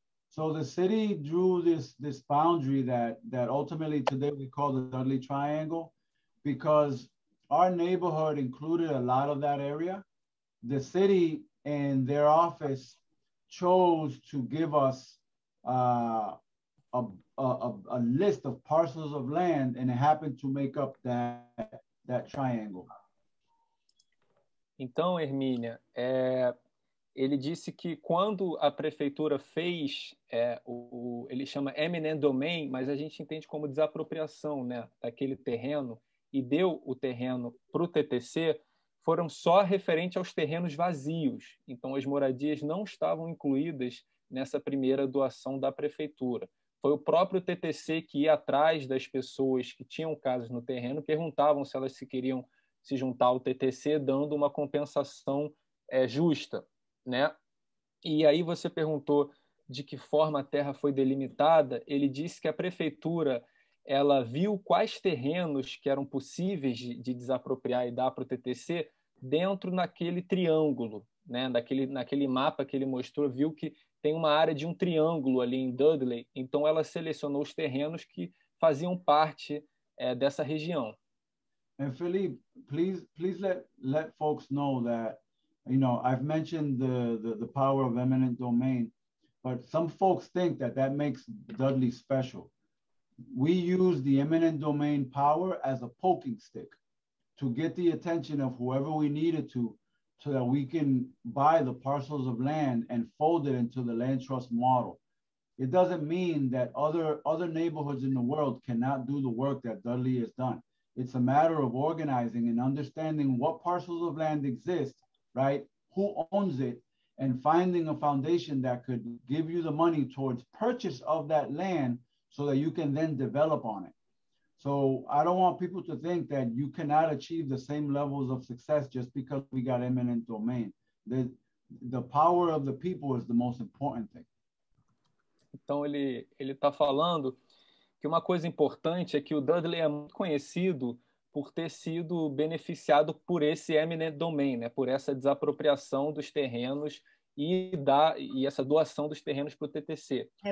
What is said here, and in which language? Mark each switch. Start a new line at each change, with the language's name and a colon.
English: So the city drew this boundary that ultimately today we call the Dudley Triangle, because our neighborhood included a lot of that area. The city and their office chose to give us a list of parcels of land, and it happened to make up that triangle.
Portuguese: Então, Hermínia, ele disse que quando a prefeitura fez, ele chama eminent domain, mas a gente entende como desapropriação, né, daquele terreno, e deu o terreno para o TTC, foram só referente aos terrenos vazios. Então, as moradias não estavam incluídas nessa primeira doação da prefeitura. Foi o próprio TTC que ia atrás das pessoas que tinham casas no terreno, perguntavam se elas se queriam se juntar ao TTC, dando uma compensação justa, né? E aí você perguntou de que forma a terra foi delimitada. Ele disse que a prefeitura, ela viu quais terrenos que eram possíveis de desapropriar e dar para o TTC dentro naquele triângulo, né? Naquele mapa que ele mostrou, viu que tem uma área de um triângulo ali em Dudley. Então, ela selecionou os terrenos que faziam parte dessa região.
English: And Felipe, please let folks know that, you know, I've mentioned the power of eminent domain, but some folks think that makes Dudley special. We use the eminent domain power as a poking stick to get the attention of whoever we needed to, so that we can buy the parcels of land and fold it into the land trust model. It doesn't mean that other neighborhoods in the world cannot do the work that Dudley has done. It's a matter of organizing and understanding what parcels of land exist, right? Who owns it, and finding a foundation that could give you the money towards purchase of that land so that you can then develop on it. So I don't want people to think that you cannot achieve the same levels of success just because we got eminent domain. The power of the people is the most important thing.
Portuguese: Então, ele está falando que uma coisa importante é que o Dudley é muito conhecido por ter sido beneficiado por esse eminent domain, né? Por essa desapropriação dos terrenos e essa doação dos terrenos para o TTC.